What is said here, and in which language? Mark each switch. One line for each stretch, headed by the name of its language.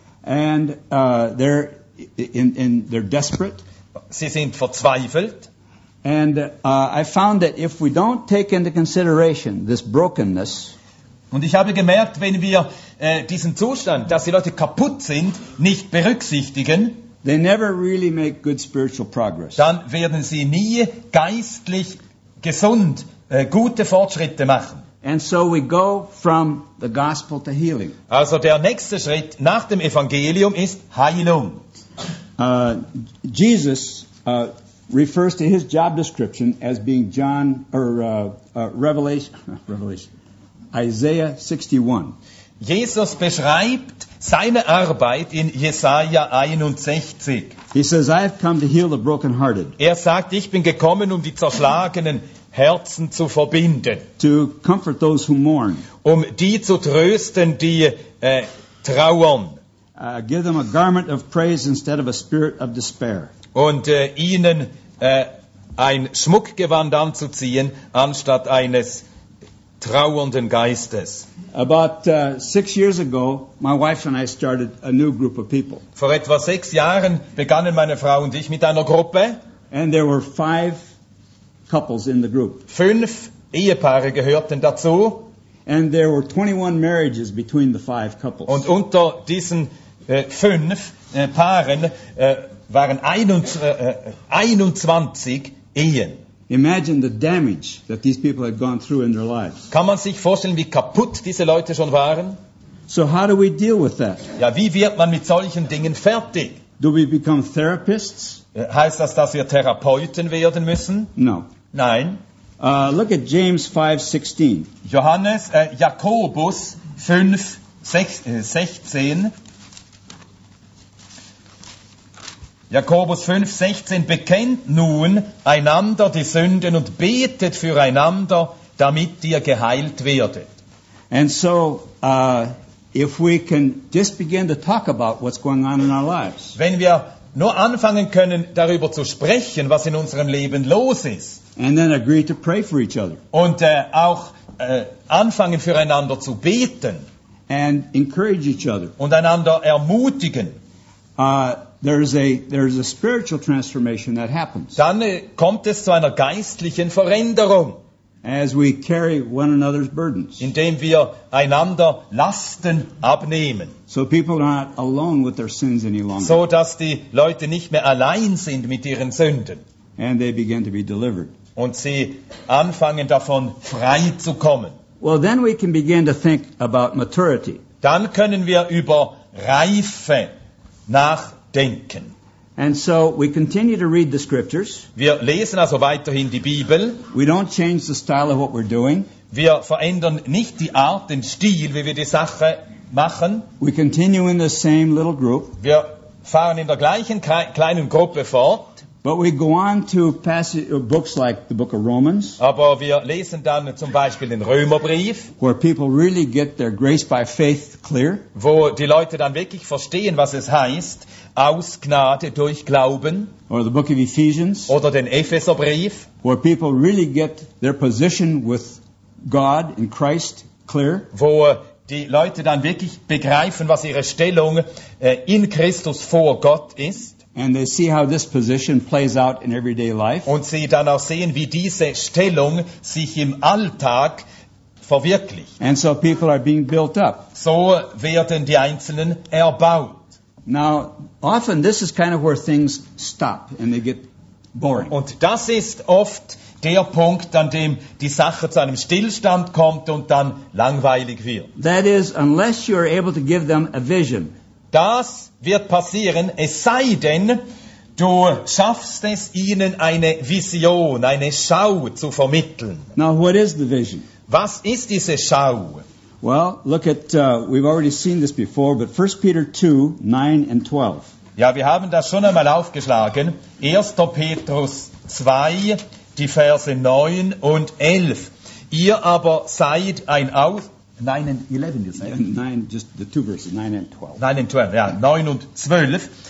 English: And they're in they're desperate.
German: Sie sind verzweifelt.
English: And I found that if we don't take into consideration this brokenness.
German: Und ich habe gemerkt, wenn wir diesen Zustand, dass die Leute kaputt sind, nicht berücksichtigen,
English: they never really make good spiritual progress.
German: Dann werden sie nie geistlich gesund gute Fortschritte machen.
English: And so we go from the gospel to healing.
German: Also der nächste Schritt nach dem Evangelium ist Heilung.
English: Jesus refers to his job description as being John or Revelation. Isaiah 61.
German: Jesus beschreibt seine Arbeit in Jesaja 61.
English: He says, I have come to heal the brokenhearted.
German: Er sagt, ich bin gekommen, um die zerschlagenen Herzen zu verbinden.
English: To comfort those who mourn.
German: Um die zu trösten, die trauern.
English: Give them a garment of praise instead of a spirit of despair.
German: Und ihnen ein Schmuckgewand anzuziehen, anstatt eines trauernden Geistes.
English: About 6 years ago, my wife and I started a new group of people.
German: Vor etwa 6 Jahren begannen meine Frau und ich mit einer Gruppe.
English: And there were 5 couples in the group.
German: 5 Ehepaare gehörten dazu.
English: And there were 21 marriages between the 5 couples.
German: Und unter diesen 5 Paaren waren 21 Ehen.
English: Imagine the damage that these people had gone through in their lives.
German: Kann man sich vorstellen, wie kaputt diese Leute schon waren?
English: So how do we deal with that?
German: Ja, wie wird man mit solchen Dingen fertig?
English: Do we become therapists?
German: Heißt das, dass wir Therapeuten werden müssen?
English: No.
German: Nein.
English: Look at James 5:16.
German: Johannes, Jakobus 5:16. Jakobus 5:16, bekennt nun einander die Sünden und betet füreinander, damit ihr geheilt werdet.
English: And so, if we can just begin to talk about what's going on in our lives.
German: Wenn wir nur anfangen können, darüber zu sprechen, was in unserem Leben los ist.
English: And then agree to pray for each other.
German: Und auch anfangen, füreinander zu beten.
English: And encourage each other.
German: Und einander ermutigen.
English: There's a spiritual transformation that happens.
German: Dann kommt es zu einer geistlichen Veränderung.
English: As we carry one another's burdens.
German: Indem wir einander Lasten abnehmen.
English: So people are not alone with their sins any longer.
German: So dass die Leute nicht mehr allein sind mit ihren Sünden.
English: And they begin to be delivered.
German: Und sie anfangen davon frei zu kommen.
English: Well, then we can begin to think about maturity.
German: Dann können wir über Reife nachdenken.
English: And so we continue to read the scriptures.
German: Wir lesen also weiterhin die Bibel.
English: We don't change the style of what we're doing.
German: Wir verändern nicht die Art, den Stil, wie wir die Sache machen.
English: We continue in the same little group.
German: Wir fahren in der gleichen kleinen Gruppe fort.
English: But we go on to passage, books like the book of Romans.
German: Aber wir lesen dann zum Beispiel den Römerbrief,
English: where people really get their grace by faith clear.
German: Wo die Leute dann wirklich verstehen, was es heißt, aus Gnade durch Glauben.
English: Or the book of Ephesians.
German: Oder den Epheserbrief.
English: Where people really get their position with God in Christ clear.
German: Wo die Leute dann wirklich begreifen, was ihre Stellung in Christus vor Gott ist.
English: And they see how this position plays out in everyday life.
German: Und sie dann auch sehen, wie diese Stellung sich im Alltag verwirklicht.
English: And so people are being built up.
German: So werden die Einzelnen erbaut.
English: Now, often this is kind of where things stop and they get boring.
German: Und das ist oft der Punkt, an dem die Sache zu einem Stillstand kommt und dann langweilig wird.
English: That is, unless you are able to give them a vision.
German: Das wird passieren, es sei denn, du schaffst es ihnen, eine Vision, eine Schau zu vermitteln.
English: Now, what is the vision?
German: Was ist diese Schau?
English: Well, look at, we've already seen this before, but 1 Peter 2, 9 and 12.
German: Ja, wir haben das schon einmal aufgeschlagen. 1. Petrus 2, die Verse 9 und 11. Ihr aber seid ein Aus...
English: 9 and 11, you say? 9, just the two verses, 9 and 12. 9 and 12,
German: ja, 9 und 12.